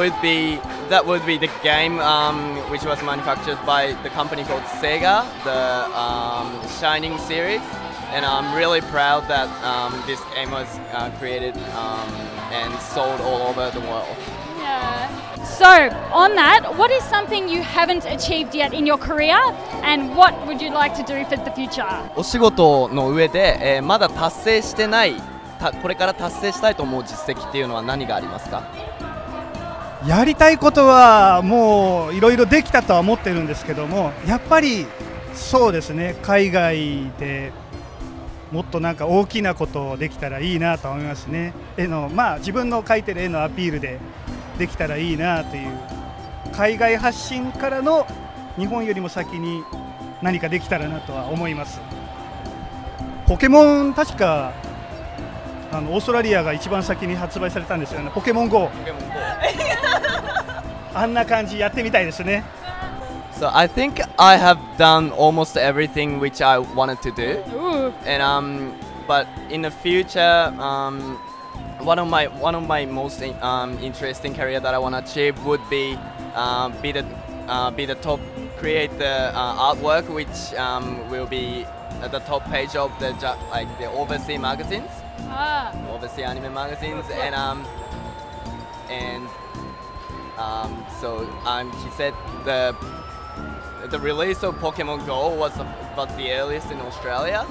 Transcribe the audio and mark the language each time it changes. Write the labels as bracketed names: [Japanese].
[English] So that would be the game which was manufactured by the company called Sega, the Shining series. And I'm really proud that this game was created and sold all over the world. So, on that, what is something you haven't achieved yet in your career and what would you like to do for the future? [Japanese] お仕事の上で、まだ達成してない、これから達成したいと思う実績っていうのは何がありますか？やりたいことはもういろいろできたとは思ってるんですけども、やっぱりそうですね、海外でもっとなんか大きなことをできたらいいなと思いますね。絵の、まあ自分の描いてる絵のアピールでできたらいいなという海外発信からの日本よりも先に何かできたらなとは思います。ポケモン確かあのオーストラリアが一番先に発売されたんですよね。ポケモン GO あんな感じやってみたいですね。 [English] So I think I have done almost everything which I wanted to do and but in the future One of my most interesting career that I want to achieve would be the top create the artwork which will be at the top page of the like the overseas magazines, overseas anime magazines, and so she said the release of Pokemon Go was about the earliest in Australia.